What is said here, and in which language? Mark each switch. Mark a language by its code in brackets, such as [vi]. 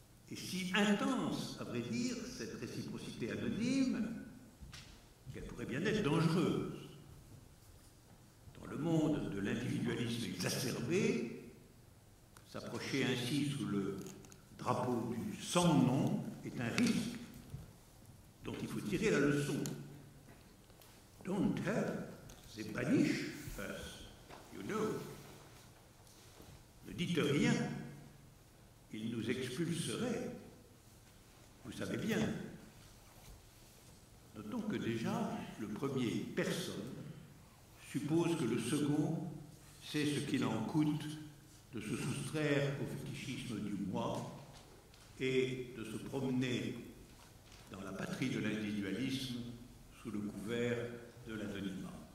[fr] Et si intense, à vrai dire, cette réciprocité anonyme, qu'elle pourrait bien être dangereuse. Dans le monde de l'individualisme exacerbé, s'approcher ainsi sous le drapeau du sans-nom est un risque dont il faut tirer la leçon. [en] Don't tell, they banish us, you know. [fr] Ne dites rien, ils nous expulseraient. Vous savez bien. Notons que déjà, le premier personne suppose que le second sait ce qu'il en coûte de se soustraire au fétichisme du moi et de se promener dans la patrie de l'individualisme sous le couvert de l'anonymat.